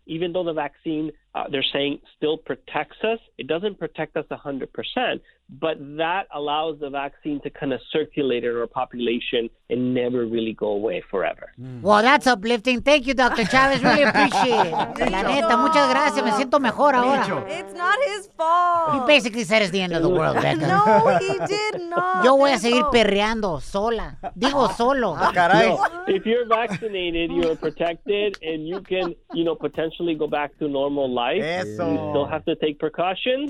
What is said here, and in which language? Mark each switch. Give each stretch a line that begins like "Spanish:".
English: Even though the vaccine, they're saying, still protects us, it doesn't protect us 100%, but that allows the vaccine to kind of circulate in our population and never really go away forever. Mm. Well, that's uplifting. Thank you, Dr. Chavez. Really appreciate it.
Spanish: La neta, muchas gracias. Me siento mejor ahora.
English: It's not his fault. He basically said it's the end of the world, Becca. No, he did not.
Spanish: Yo voy a seguir perreando sola. Digo solo. Ah, caray.
English: No, if you're vaccinated, you're protected, and you can, potentially go back to normal life.
Spanish: Eso.
English: You still have to take precautions.